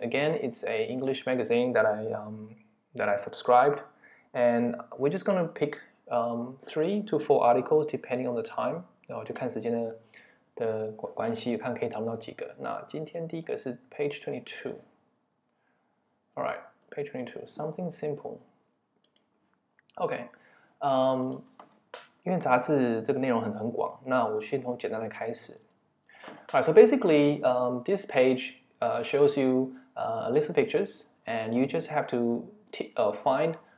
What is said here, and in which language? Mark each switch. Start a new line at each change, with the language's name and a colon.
English: Again, it's an English magazine that I subscribed. And we're just going to pick... 3 to 4 articles depending on the time.
Chinese: 然后就看时间的关系，看可以讨论到几个。那今天第一个是
English: page 22. Alright, page 22. Something simple. Okay.
Chinese: 因为杂志这个内容很广，那我先从简单的开始。
English: Alright, so basically, this page shows you a list of pictures, and you just have to find.